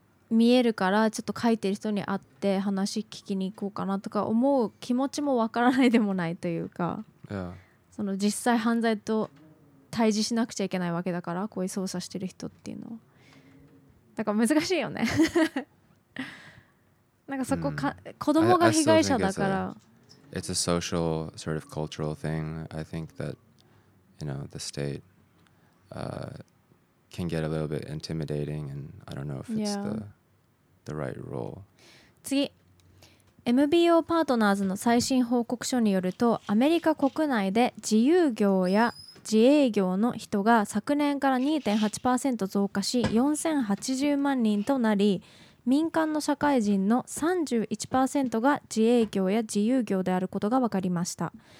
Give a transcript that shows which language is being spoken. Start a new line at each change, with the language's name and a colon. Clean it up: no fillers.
Japanese: 見えるから、ちょっと書いてる人に会って話聞きに行こうかなとか思う気持ちもわからないでもないというか、その実際犯罪と対峙しなくちゃいけないわけだから、こういう捜査してる人っていうのは、だから難しいよね。なんかそこか、子供が被害者だから、
English: it's a social sort of cultural thing. I think that, you know, the state can get a little bit intimidating, and I don't know if it's the right role.
Japanese: 次、 MBO パートナーズの最新報告書によると、アメリカ国内で自由業や自営業の人が昨年から 2.8% 増加し4080万人となり、民間の社会人の 31% が自営業や自由業であることが分かりました。